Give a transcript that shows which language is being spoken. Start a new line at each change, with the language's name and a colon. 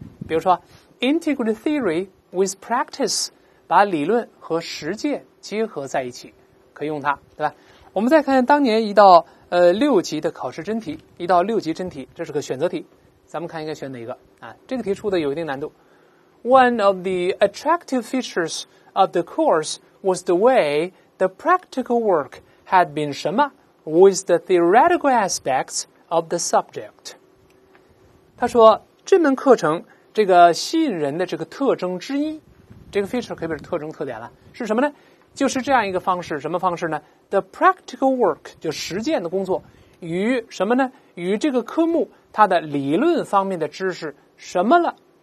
Chinese: 比如说
English: integrate theory with practice，
Chinese: 把理论和实践结合在一起，可以用它，对吧？我们再看当年一道六级的考试真题，一道六级真题，这是个选择题，咱们看应该选哪个啊？这个题出的有一定难度。
English: One of the attractive features of the course was the way the practical work had been
Chinese: 什么
English: with the theoretical aspects of the subject。
Chinese: 他说这门课程这个吸引人的这个特征之一，这个 feature 可以表示特征特点了，是什么呢？就是这样一个方式，什么方式呢？
English: The practical work
Chinese: 就实践的工作，与什么呢？与这个科目它的理论方面的知识什么了？